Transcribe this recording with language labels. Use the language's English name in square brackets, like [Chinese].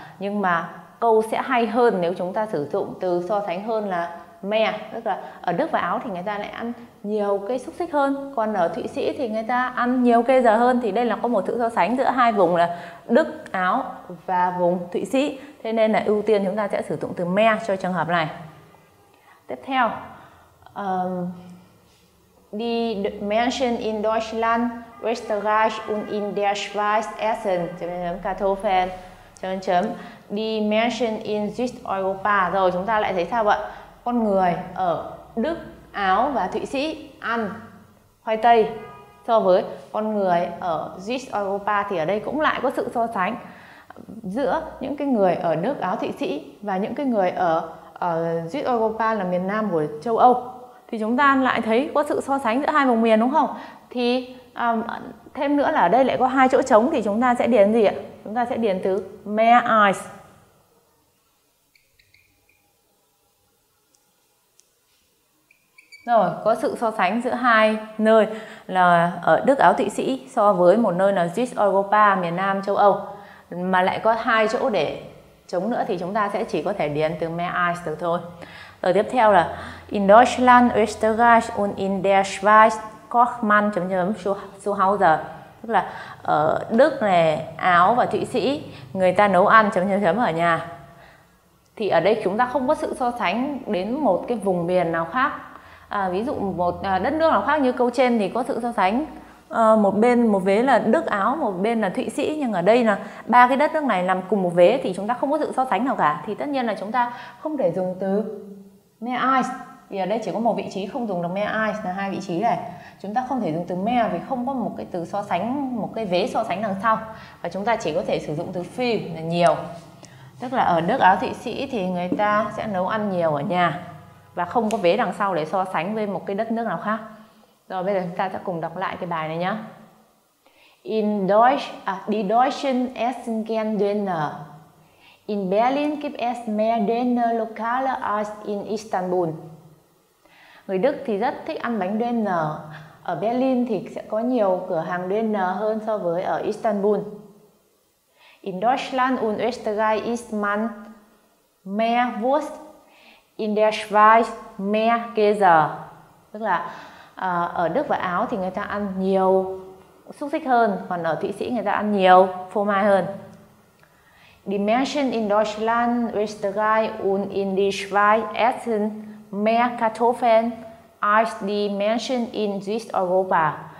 [Vietnamese] Nhưng mà câu sẽ hay hơn nếu chúng ta sử dụng từ so sánh hơn là me, tức là ở Đức và Áo thì người ta lại ăn nhiều cây xúc xích hơn, còn ở Thụy Sĩ thì người ta ăn nhiều cây dở hơn. Thì đây là có một sự so sánh giữa hai vùng là Đức, Áo và vùng Thụy Sĩ. Thế nên là ưu tiên chúng ta sẽ sử dụng từ me cho trường hợp này. Tiếp theo, [German] die Menschen in Deutschland, Österreich und in der Schweiz essen Kartoffeln. Die Menschen in Südeuropa. [Vietnamese] Rồi chúng ta lại thấy sao ạ? Con người ở Đức, Áo và Thụy Sĩ ăn khoai tây so với con người ở Südeuropa, thì ở đây cũng lại có sự so sánh giữa những cái người ở Đức, Áo, Thụy Sĩ và những cái người ở Südeuropa là miền Nam của châu Âu. Thì chúng ta lại thấy có sự so sánh giữa hai vùng miền đúng không? Thì thêm nữa là ở đây lại có hai chỗ trống thì chúng ta sẽ điền gì ạ? Chúng ta sẽ điền từ mehr als. Rồi, có sự so sánh giữa hai nơi là ở Đức, Áo, Thụy Sĩ so với một nơi là Südeuropa, miền Nam châu Âu. Mà lại có hai chỗ để chống nữa thì chúng ta sẽ chỉ có thể điền từ mehr als được thôi. Rồi tiếp theo là [German] in Deutschland, Österreich und in der Schweiz kocht man zu Hause. [Vietnamese] Tức là ở Đức này, Áo và Thụy Sĩ người ta nấu ăn ở nhà. Thì ở đây chúng ta không có sự so sánh đến một cái vùng miền nào khác. Ví dụ một đất nước nào khác như câu trên thì có sự so sánh một bên một vế là Đức, Áo, một bên là Thụy Sĩ, nhưng ở đây là ba cái đất nước này nằm cùng một vế thì chúng ta không có sự so sánh nào cả, thì tất nhiên là chúng ta không thể dùng từ mehr als, vì ở đây chỉ có một vị trí không dùng được mehr als là hai vị trí này. Chúng ta không thể dùng từ mehr vì không có một cái từ so sánh, một cái vế so sánh đằng sau, và chúng ta chỉ có thể sử dụng từ viel là nhiều. Tức là ở Đức, Áo, Thụy Sĩ thì người ta sẽ nấu ăn nhiều ở nhà và không có vế đằng sau để so sánh với một cái đất nước nào khác. Rồi bây giờ chúng ta sẽ cùng đọc lại cái bài này nhé. [German] In Deutsch, die Deutschen essen gern Döner. In Berlin gibt es mehr Döner Lokale als in Istanbul. [Vietnamese] Người Đức thì rất thích ăn bánh Döner. Ở Berlin thì sẽ có nhiều cửa hàng Döner hơn so với ở Istanbul. [German] In Deutschland und Österreich isst man mehr Wurst. In der Schweiz mehr Käse. [Vietnamese] Tức là ở Đức và Áo thì người ta ăn nhiều xúc xích hơn, còn ở Thụy Sĩ người ta ăn nhiều phô mai hơn. [German] Die Menschen in Deutschland, Österreich und in der Schweiz essen mehr Kartoffeln als die Menschen in Südeuropa.